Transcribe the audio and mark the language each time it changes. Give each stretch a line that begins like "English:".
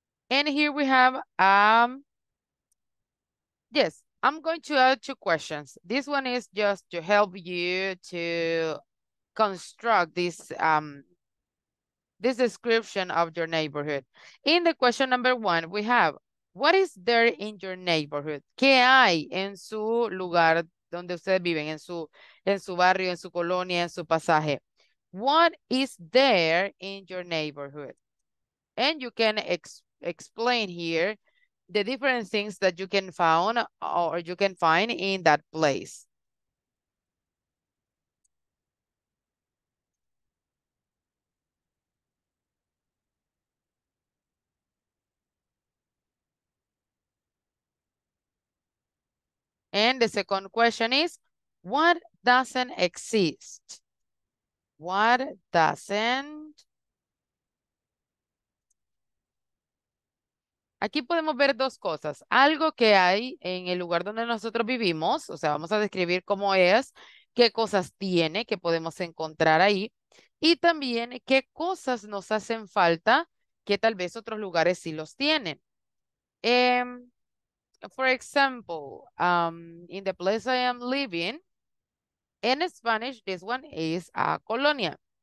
English: And here we have, yes, I'm going to add two questions. This one is just to help you to construct this this description of your neighborhood. In the question number one, we have, what is there in your neighborhood?
Spanish: ¿Qué hay en su lugar donde ustedes viven? En su barrio, en su colonia, en su pasaje.
English: What is there in your neighborhood? And you can explain here the different things that you can found or you can find in that place. And the second question is, what doesn't exist? What doesn't?
Spanish: Aquí podemos ver dos cosas. Algo que hay en el lugar donde nosotros vivimos, o sea, vamos a describir cómo es, qué cosas tiene que podemos encontrar ahí, y también qué cosas nos hacen falta que tal vez otros lugares sí los tienen.
English: For example, in the place I am living, in Spanish, this one is a colonia.